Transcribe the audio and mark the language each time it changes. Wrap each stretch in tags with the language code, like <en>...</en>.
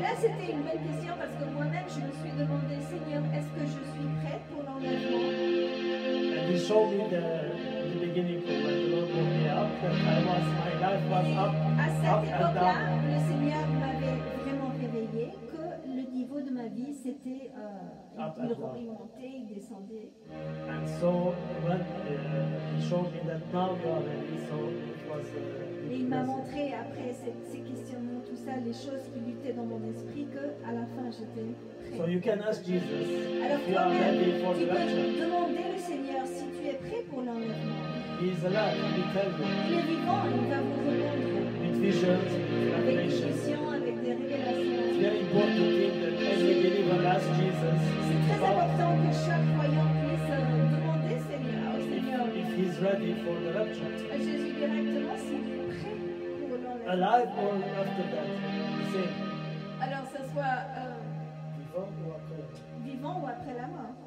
<fr>Là, c'était une bonne question parce que moi-même, je me suis demandé, Seigneur, est-ce que je suis prête pour l'enlèvement?</fr> <en>And he showed me the beginning of when the Lord brought me up, that I was, my life was up.</en> <fr>À cette époque-là, le Seigneur m'avait vraiment réveillé que le niveau de ma vie, c'était.</fr> <en>And so when he showed me that now you are ready, so it was.</en> <fr>Il m'a montré après ces questionnements, tout ça, les choses qui luttaient dans mon esprit, que à la fin j'étais prêt.</fr> <en>So you can ask Jesus.</en> <fr>Alors toi-même, tu peux demander le Seigneur si tu es prêt pour l'enlèvement.</fr> <en>He's alive. He tells you.</en> <fr>Il est vivant. Il va vous répondre.</fr> <en>With visions, with revelations.</en> <fr>Avec des révélations.</fr> <en>It's very important thing that every believer asks Jesus.</en> <fr>C'est très important que chaque croyant puisse demander Seigneur au Seigneur.</fr> <en>If he's ready for the rapture.</en> <fr>À Jésus directement, s'il est prêt pour l'enlèvement.</fr> <en>Alive or after that, same.</en> <fr>Alors, ça soit vivant ou après la mort? Vivant ou après la mort?</fr>